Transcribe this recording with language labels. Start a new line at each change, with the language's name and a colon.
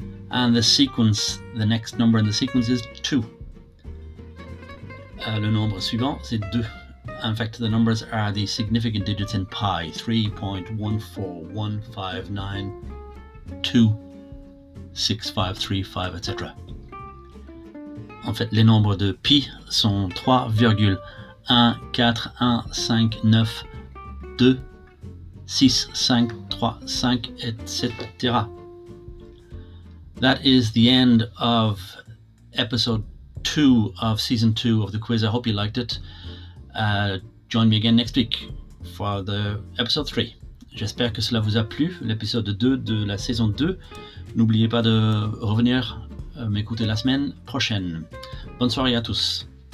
English: And the sequence, the next number in the sequence is 2.
French: Le nombre suivant, c'est 2.
English: In fact, the numbers are the significant digits in pi, 3.14159265355, etc.
French: En fait, les nombres de pi sont 3.14159265535, etc.
English: That is the end of episode 2 of season 2 of the quiz. I hope you liked it. Join me again next week for the episode 3.
French: J'espère que cela vous a plu, l'épisode 2 de la saison 2. N'oubliez pas de revenir m'écouter la semaine prochaine. Bonne soirée à tous.